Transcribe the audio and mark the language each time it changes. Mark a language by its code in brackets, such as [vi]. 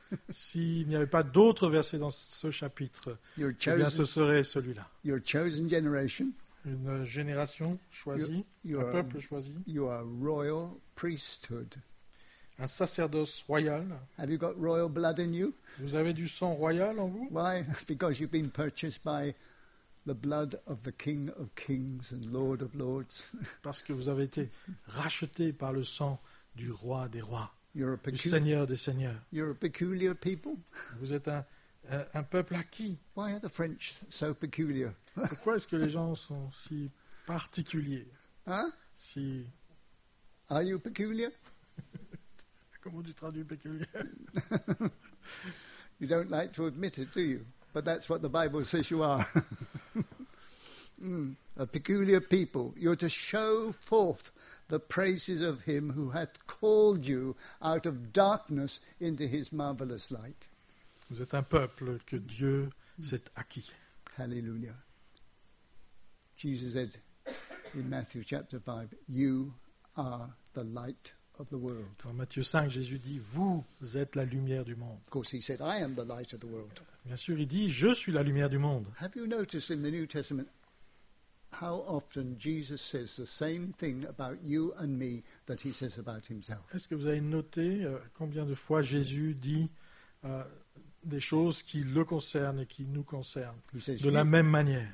[fr] S'il n'y avait pas d'autre verset dans ce chapitre, eh bien ce serait celui-là. [en] Your chosen generation. [fr] Une génération choisie, un peuple choisi. [en] You are royal priesthood. [fr] Un sacerdoce royal. [en] Have you got royal blood in you? [fr] Vous avez du sang royal en vous? [en] Why? Because you've been purchased by the blood of the King of Kings and Lord of Lords. [fr] Parce que vous avez été racheté par le sang du roi des rois, du Seigneur des Seigneurs. [en] You're a peculiar people. [fr] Vous êtes un peuple acquis. [en] Why are the French so peculiar? [fr] Pourquoi est-ce que les gens sont si particuliers? Hein? Si. [en] Are you peculiar? [fr] Comment tu traduis peculiar? [en] You don't like to admit it, do you? But that's what the Bible says you are. A peculiar people. You're to show forth the praises of him who hath called you out of darkness into his marvelous light. [fr] Vous êtes un peuple que Dieu s'est acquis. [en] Hallelujah. Jesus said in Matthew chapter 5, you are the light of the world. [fr] Dans Matthieu 5, Jésus dit, vous êtes la lumière du monde. [en] Of course, he said, I am the light of the world. [fr] Bien sûr, il dit, je suis la lumière du monde. [en] Have you noticed in the New Testament how often Jesus says the same thing about you and me that he says about himself? [fr] Est-ce que vous avez noté combien de fois Jésus dit des choses qui le concernent et qui nous concernent de la même manière.